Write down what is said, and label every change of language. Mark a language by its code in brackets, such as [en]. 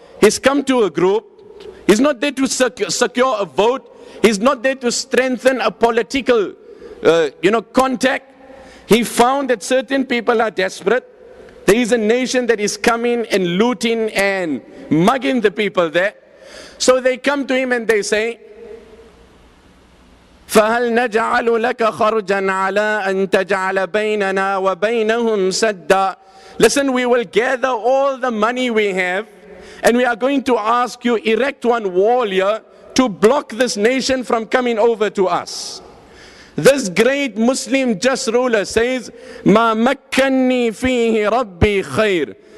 [en] He's come to a group. He's not there to secure a vote. He's not there to strengthen a political, contact. He found that certain people are desperate. There is a nation that is coming and looting and mugging the people there. So they come to him and they say, [ar] فَهَلْ نَجْعَلُ لَكَ خَرْجًا عَلَىٰ أَن تَجْعَلَ بَيْنَنَا وَبَيْنَهُمْ سَدًّا. [en] Listen, we will gather all the money we have and we are going to ask you, erect one wall here to block this nation from coming over to us. This great Muslim just ruler says, [ar] مَا مَكَّنِّي فِيهِ رَبِّي خَيْرٌ.